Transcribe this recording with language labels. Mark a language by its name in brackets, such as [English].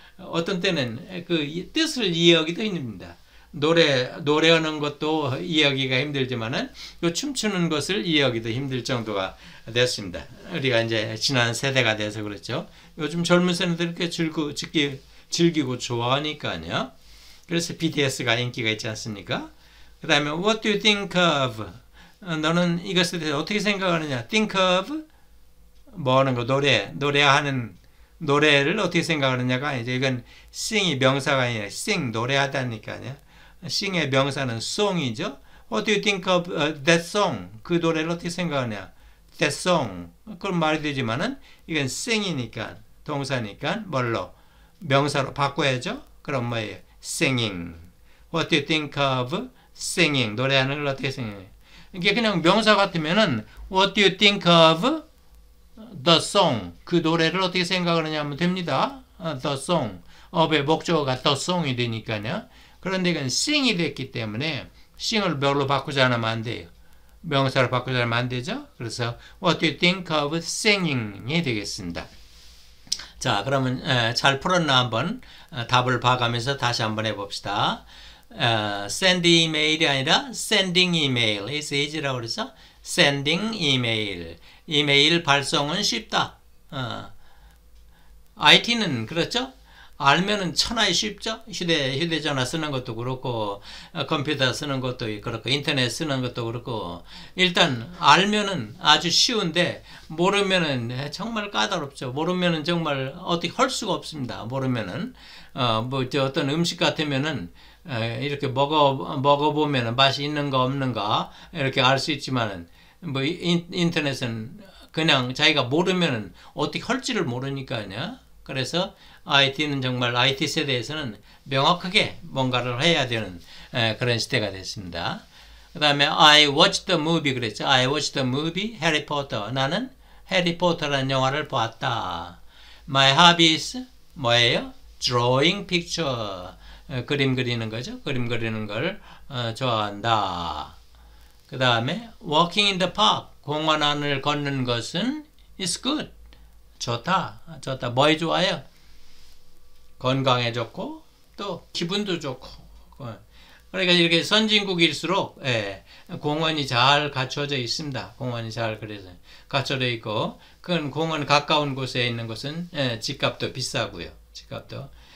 [Korean] 어떤 때는 그 뜻을 이해하기도 힘듭니다. 노래하는 것도 이해하기가 힘들지만은 그 춤추는 것을 이해하기도 힘들 정도가 됐습니다. 우리가 이제 지난 세대가 돼서 그렇죠. 요즘 젊은 세대들 이렇게 즐기고 좋아하니까요. 그래서 BTS가 인기가 있지 않습니까? 그 다음에 [English] What do you think of? [Korean] 너는 이것에 대해서 어떻게 생각하느냐? Think of 뭐 하는 거 노래하는 노래를 어떻게 생각하느냐가 이제 이건 sing이 명사가 아니라 sing 노래하다니까요. Sing의 명사는 song이죠. [English] What do you think of that song? [Korean] 그 노래를 어떻게 생각하냐? [English] That song. [Korean] 그런 말이 되지만은 이건 sing이니까 동사니까 뭘로 명사로 바꿔야죠. 그럼 뭐예요? [English] Singing. What do you think of singing? [Korean] 노래하는 걸 어떻게 생각해? 이게 그냥 명사 같으면은 [English] What do you think of the song? [Korean] 그 노래를 어떻게 생각하느냐 하면 됩니다. [English] The song. [Korean] of의 목적어가 the song이 되니까요. 그런데 이건 sing이 됐기 때문에 sing을 뭘로 바꾸지 않으면 안 돼요. 명사로 바꾸지 않으면 안 되죠. 그래서 [English] What do you think of singing? [Korean] 이 되겠습니다. 자, 그러면 잘 풀었나 한번 답을 봐가면서 다시 한번 해봅시다. Sending 이메일이 아니라 sending 이메일. [English] It's easy [Korean] 라고 그래서 sending 이메일. 이메일 발송은 쉽다. IT는 그렇죠? 알면은 천하에 쉽죠? 휴대전화 쓰는 것도 그렇고, 컴퓨터 쓰는 것도 그렇고, 인터넷 쓰는 것도 그렇고, 일단 알면은 아주 쉬운데, 모르면은 정말 까다롭죠. 모르면은 정말 어떻게 할 수가 없습니다. 모르면은. 뭐, 저 어떤 음식 같으면은, 이렇게 먹어보면은 맛이 있는가 없는가, 이렇게 알수 있지만은, 뭐, 인터넷은 그냥 자기가 모르면은 어떻게 할지를 모르니까요. 그래서 IT는 정말 IT 세대에서는 명확하게 뭔가를 해야 되는 그런 시대가 됐습니다. 그 다음에 [English] I watched the movie [Korean] 그랬죠. [English] I watched the movie Harry Potter. [Korean] 나는 해리포터라는 영화를 봤다. [English] My hobbies [Korean] 뭐예요? [English] Drawing picture. [Korean] 그림 그리는 거죠. 그림 그리는 걸 좋아한다. 그 다음에 [English] Walking in the park. [Korean] 공원 안을 걷는 것은 [English] is good. [Korean] 좋다. 뭐에 좋아요? 건강에 좋고, 또, 기분도 좋고. 그러니까 이렇게 선진국일수록, 예, 공원이 잘 갖춰져 있습니다. 공원이 잘 그래서 갖춰져 있고, 그건 공원 가까운 곳에 있는 곳은, 예, 집값도 비싸고요. 집값도.